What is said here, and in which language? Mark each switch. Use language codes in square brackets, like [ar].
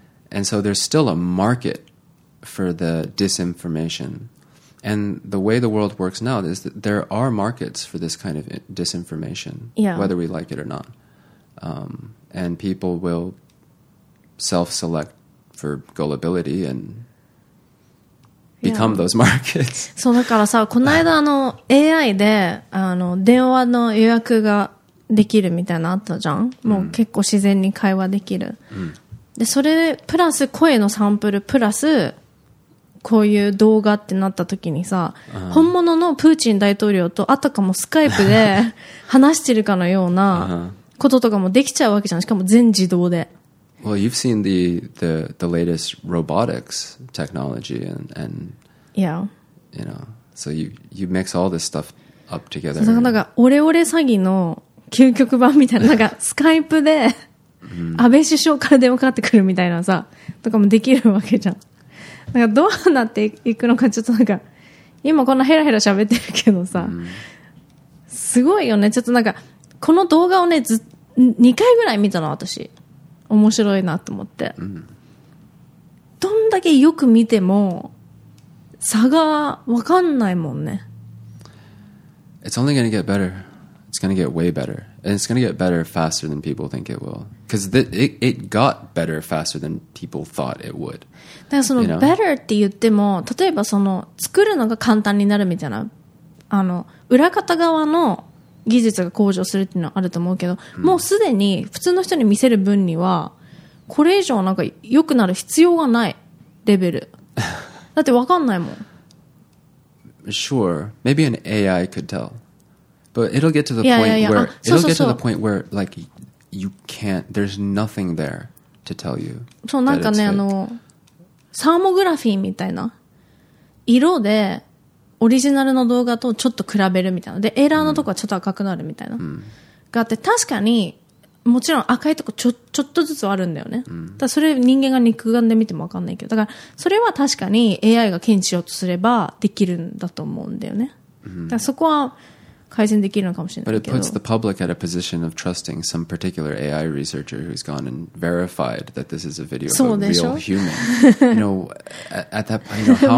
[en] And so there's still a market for the disinformation. And the way the world works now is that there are markets for this kind of disinformation, yeah. whether we like it or not. And people will self-select for gullibility and become yeah. those markets. [ja] そうだからさ、この間あの AI であの電話の予約ができるみたいなあったじゃん。もう結構自然に会話できる。でそれプラス声のサンプルプラスこういう動画ってなった時にさ、本物のプーチン大統領とあたかもスカイプで話してるかのようなこととかもできちゃうわけじゃん。しかも全自動で。 [en] Well, you've seen the latest robotics technology and yeah, you know, so you mix all this stuff up together. [ja] なんかオレオレ詐欺の究極版みたいななんかスカイプで。安倍首相から電話かかってくるみたいなさとかもできるわけじゃん。なんかどうなっていくのかちょっとなんか今こんなヘラヘラ喋ってるけどさ、すごいよね。ちょっとなんかこの動画をねず2回ぐらい見たの私。面白いなと思って、うん、どんだけよく見ても差が分かんないもんね。 [en] It's only gonna get better. It's gonna get way better. And it's gonna get better faster than people think it will. Because it got better faster than people thought it would. [ja] だからその better って言っても、例えばその作るのが簡単になるみたいな、あの裏方側の技術が向上するっていうのはあると思うけど、もうすでに普通の人に見せる分にはこれ以上なんか良くなる必要がないレベル。だって分かんないもん。 [en] Sure, maybe an AI could tell, but it'll get to the point where it'll get to the point where like you can't. There's nothing there to tell you. [ja] そうなんかね、あのサーモグラフィーみたいな色で。オリジナルの動画とちょっと比べるみたいな。で、エラーのとこはちょっと赤くなるみたいな。うん、があって、確かに、もちろん赤いとこちょっとずつあるんだよね。うん、だそれ人間が肉眼で見てもわかんないけど。だから、それは確かに AI が検知しようとすればできるんだと思うんだよね。うん、だからそこは改善できるのかもしれないけど。 [en] But it puts the public at a position of trusting some particular AI researcher who's gone and verified that this is a video of a real human. You know, at that point, you know, how